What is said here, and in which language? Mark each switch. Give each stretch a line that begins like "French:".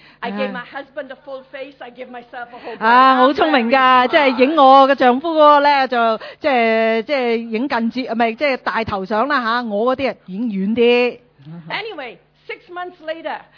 English: I gave my husband a full face. I gave myself a whole body.
Cantonese: 啊，好聪明噶，即系影我嘅丈夫嗰个咧，就即系影近照，唔系即系大头相啦吓。我嗰啲影远啲。
English: Anyway, six months later.